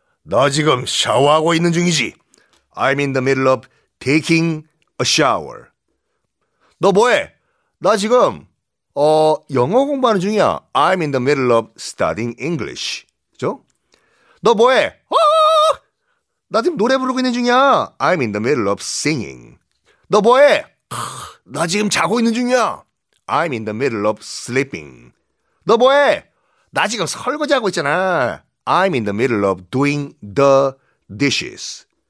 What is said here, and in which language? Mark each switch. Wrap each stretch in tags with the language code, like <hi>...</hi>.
<ko>나 지금 샤워하고 있는 중이지.</ko> <en>I'm in the middle of taking a shower.</en> <ko>너 뭐해? 나 지금 영어 공부하는 중이야.</ko> <en>I'm in the middle of studying English.</en> <ko>그죠? 너 뭐해? 나 지금 노래 부르고 있는 중이야.</ko> <en>I'm in the middle of singing.</en> <ko>너 뭐해? 나 지금 자고 있는 중이야.</ko> <en>I'm in the middle of sleeping.</en> <ko>너 뭐해? 나 지금 설거지하고 있잖아.</ko> <en>I'm in the middle of doing the dishes.</en>